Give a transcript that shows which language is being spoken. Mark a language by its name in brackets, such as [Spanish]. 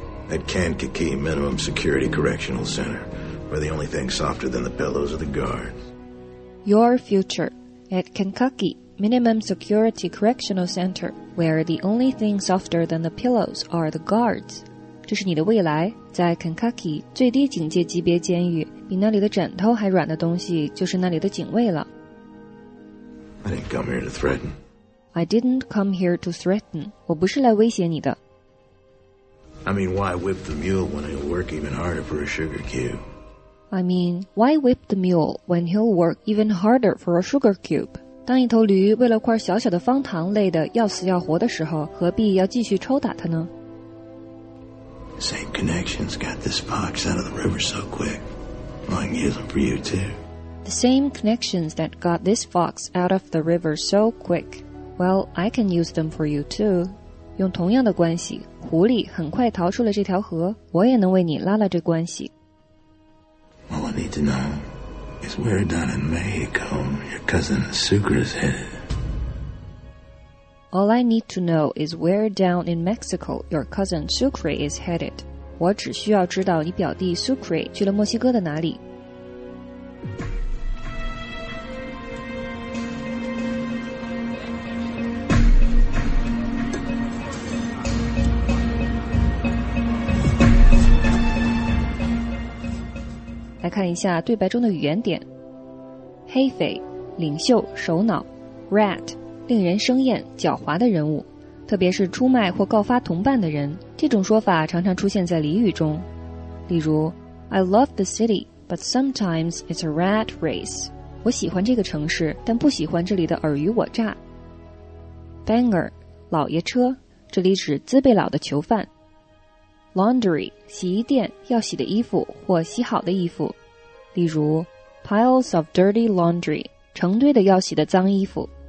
[English] At Kankakee Minimum Security Correctional Center, where the only thing softer than the pillows are the guards. Your future. At Kankakee Minimum Security Correctional Center, where the only thing softer than the pillows are the guards. [Chinese] 这是你的未来，在 Kankakee 最低警戒级别监狱，比那里的枕头还软的东西就是那里的警卫了。 [English] I didn't come here to threaten. I didn't come here to threaten. [Chinese] 我不是来威胁你的。 [English] I mean, why whip the mule when he'll work even harder for a sugar cube? I mean, why whip the mule when he'll work even harder for a sugar cube? [Chinese] 当一头驴为了块小小的方糖累得要死要活的时候，何必要继续抽打它呢？ [English] Same connections got this fox out of the river so quick. Mine isn't for you, too. The same connections that got this fox out of the river so quick, well, I can use them for you, too. [Chinese] 用同样的关系，狐狸很快逃出了这条河，我也能为你拉拉这关系。 [English] All I need to know is where down in Mexico your cousin Sucre is headed. All I need to know is where down in Mexico your cousin Sucre is headed. [Chinese] 我只需要知道你表弟 Sucre 去了墨西哥的哪里。来看一下对白中的语言点。黑匪，领袖，首脑 ,rat, 令人生厌，狡猾的人物，特别是出卖或告发同伴的人，这种说法常常出现在俚语中。 [English] 例如 ,I love the city, but sometimes it's a rat race. [Chinese] 我喜欢这个城市，但不喜欢这里的尔虞我诈。 Banger, 老爷车，这里指资贝佬的囚犯。 Laundry, 洗衣店，要洗的衣服或洗好的衣服。例如 , [English] piles of dirty laundry, [Chinese] 成堆的要洗的脏衣服。